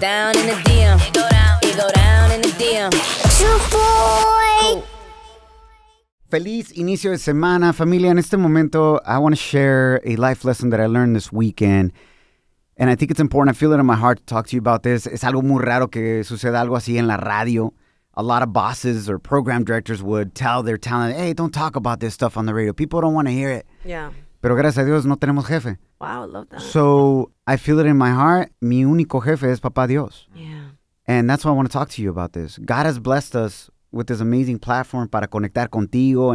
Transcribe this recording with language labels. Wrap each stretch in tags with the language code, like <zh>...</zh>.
<en>Down in the DM. It go down in the DM. Shaboy.</en> <es>Feliz inicio de semana, familia. En este momento,</es> <en>I want to share a life lesson that I learned this weekend. And I think it's important. I feel it in my heart to talk to you about this.</en> <es>Es algo muy raro que suceda algo así en la radio.</es> <en>A lot of bosses or program directors would tell their talent, hey, don't talk about this stuff on the radio. People don't want to hear it. Yeah.</en> <es>Pero gracias a Dios, no tenemos jefe.</es> <en>Wow, I love that. So I feel it in my heart.</en> <es>Mi único jefe es Papá Dios.</es> <en>Yeah. And that's why I want to talk to you about this. God has blessed us with this amazing platform</en> <es>para conectar contigo.</es>